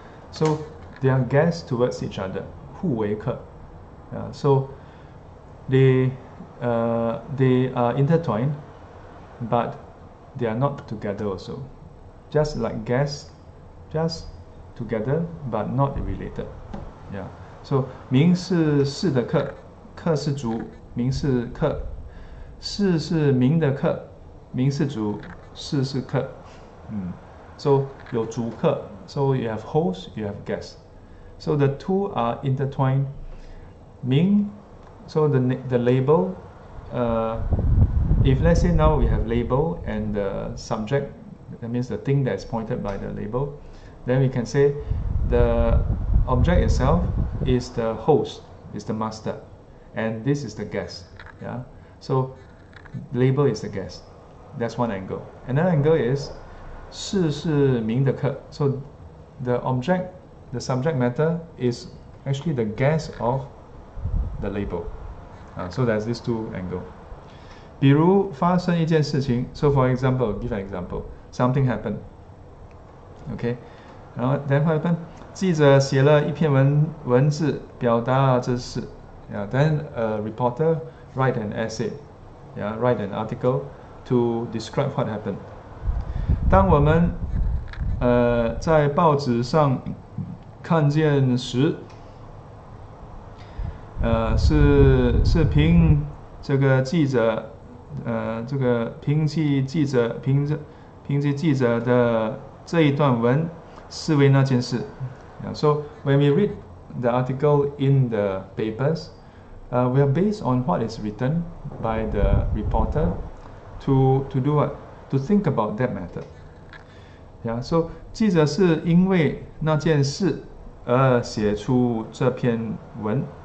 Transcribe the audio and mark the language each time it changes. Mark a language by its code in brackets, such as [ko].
[en] So they are guests towards each other, [zh] 互为客. [en] So they are intertwined, but they are not together also. Just like guests, just together, but not related. Yeah. [zh] So 名是士的客，客是主，名是客，士是名的客，名是主，士是客。 [en] So [zh] 有主客， [en] So you have host, you have guest. So the two are intertwined. 名，So the label. If let's say now we have label and the subject, that means the thing that is pointed by the label, then we can say the object itself is the host, is the master, and this is the guest. Yeah. So label is the guest. That's one angle. Another angle is [zh] 士是名的客. [en] So the object, the subject matter is actually the guest of the label. So there's these two angles. [zh] 比如发生一件事情, [en] so for example, give an example, something happened. Okay? [zh] 然后, [en] then what happened? [zh] 记者写了一篇文字表达这事, [en] yeah, then a reporter write an essay, yeah, write an article to describe what happened. [zh] 当我们在报纸上看见时, 是凭这个记者，这个凭记记者凭着凭借记者的这一段文视为那件事。 [en] So when we read the article in the papers, we are based on what is written by the reporter to do what? To think about that matter. Yeah, so [zh] 记者是因为那件事而写出这篇文。